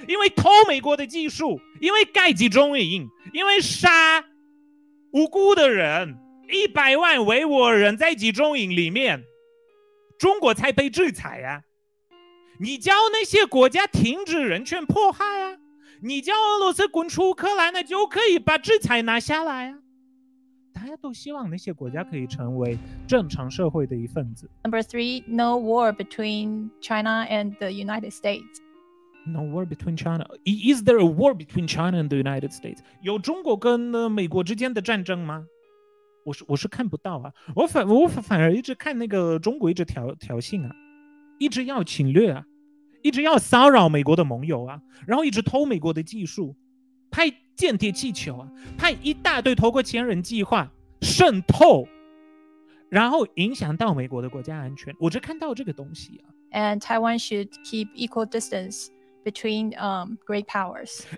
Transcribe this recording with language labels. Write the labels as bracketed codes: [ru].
[zh] 因为偷美国的技术，因为盖集中营，因为杀无辜的人，100万维吾尔人在集中营里面，中国才被制裁啊。你叫那些国家停止人权迫害啊，你叫俄罗斯滚出乌克兰，那就可以把制裁拿下来啊！大家都希望那些国家可以成为正常社会的一份子。 [en] Number three, no war between China and the United States. No war between China. Is there a war between China and the United States? [zh] 有中国跟美国之间的战争吗？我是看不到啊！我反而一直看那个中国一直挑衅啊，一直要侵略啊。一直要骚扰美国的盟友啊，然后一直偷美国的技术，派间谍气球啊，派一大堆透过千人计划渗透，然后影响到美国的国家安全。我只看到这个东西啊。 [en] And Taiwan should keep equal distance between great powers.